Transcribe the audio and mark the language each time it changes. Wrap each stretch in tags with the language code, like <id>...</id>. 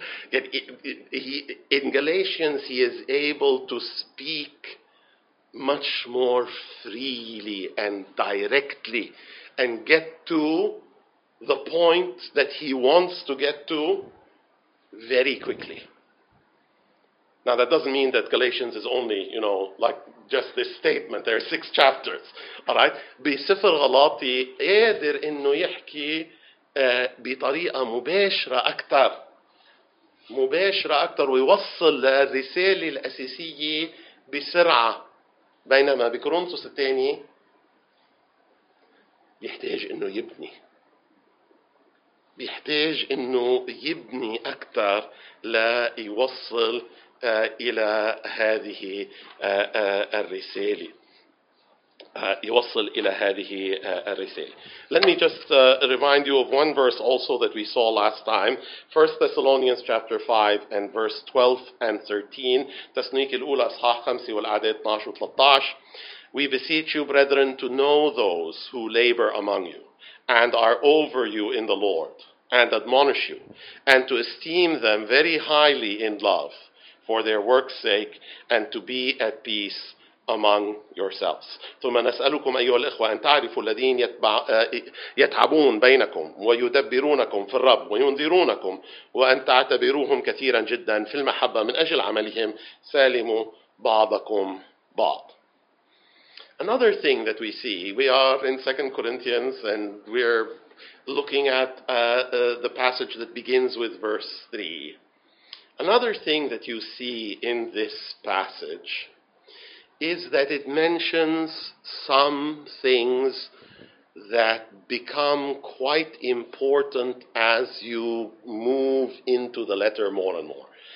<en>In Galatians, he is able to speak much more freely and directly and get to the point that he wants to get to very quickly. Now, that doesn't mean that Galatians is only, you know, like just this statement. There are 6 chapters, all right?</en> <ar>بسفر غلاطي قادر إنه يحكي بطريقة مباشرة أكثر ويوصل للرسالة الأساسية بسرعة. بينما بكورنثوس الثاني بيحتاج إنه يبني. بيحتاج إنه يبني أكثر ليوصل إلى هذه الرسالة. يوصل إلى هذه الرسالة.</ar> <en>Let me just remind you of one verse also that we saw last time. 1 Thessalonians chapter 5 and verse 12 and 13.</en> <ar>تسنيك الأولى أصحاح 5 والعدد 12 و13.</ar> <en>We beseech you, brethren, to know those who labor among you and are over you in the Lord and admonish you and to esteem them very highly in love for their work's sake and to be at peace among yourselves.</en> <ar>ثم نسألكم أيها الإخوة أن تعرفوا الذين يتعبون بينكم ويدبرونكم في الرب وينذرونكم وأن تعتبروهم كثيرا جدا في المحبة من أجل عملهم سالموا بعضكم بعض.</ar> <en>Another thing that we see, we are in 2 Corinthians and we're looking at the passage that begins with verse 3. Another thing that you see in this passage is that it mentions some things that become quite important as you move into the letter more and more.</en>